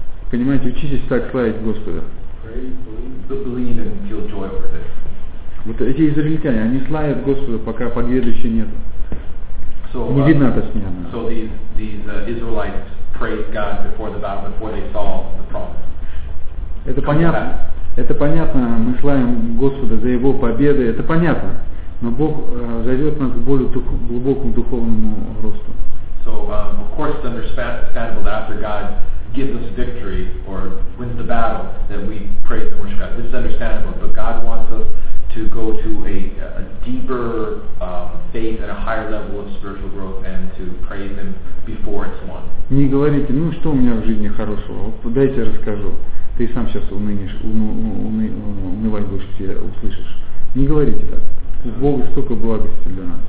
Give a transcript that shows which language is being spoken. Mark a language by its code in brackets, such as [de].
[ru] Понимаете, учитесь так славить Господа. [en] Believe and feel joy over this. [ru] Вот эти израильтяне, они славят Господа, пока победы еще нет. Не видно это с ним. [en] So these Israelites praised God before the battle, before they saw the promise. [ru] Это понятно. Это понятно. Мы славим Господа за Его победы. Это понятно. Но Бог зовет нас к более глубокому духовному росту. [en] So of course it's understandable that after God gives us victory or wins the battle, that we praise and worship God. This is understandable, but God wants us to go to a deeper faith and a higher level of spiritual growth and to praise Him before it's won. [ru] Не говорите, ну что у меня в жизни хорошего? Вот дайте я расскажу. Ты сам сейчас унывать будешь, все услышишь. Не говорите так. У Бога столько благости для нас.